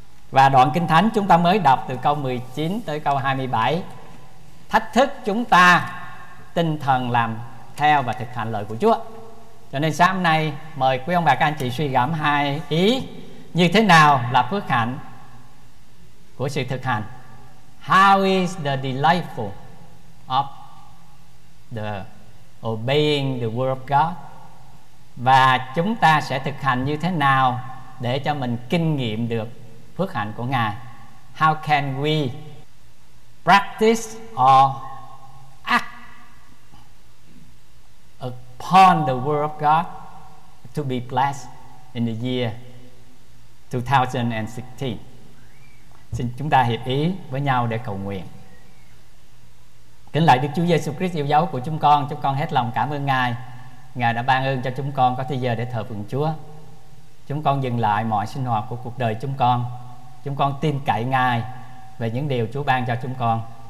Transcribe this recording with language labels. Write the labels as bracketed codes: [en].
[vi] Và đoạn Kinh Thánh chúng ta mới đọc từ câu 19 tới câu 27 thách thức chúng ta tinh thần làm theo và thực hành lời của Chúa. Cho nên sáng hôm nay mời quý ông bà các anh chị suy gẫm hai ý: như thế nào là phước hạnh của sự thực hành? [en] How is the delightful of the obeying the word of God? [vi] Và chúng ta sẽ thực hành như thế nào để cho mình kinh nghiệm được phước hạnh của Ngài? [en] How can we practice or act upon the word of God to be blessed in the year 2016? [vi] Xin chúng ta hiệp ý với nhau để cầu nguyện. Kính lạy Đức Chúa Giêsu Christ yêu dấu của chúng con hết lòng cảm ơn Ngài. Ngài đã ban ơn cho chúng con có thời giờ để thờ phượng Chúa. Chúng con dừng lại mọi sinh hoạt của cuộc đời chúng con. Chúng con tin cậy Ngài về những điều Chúa ban cho chúng con.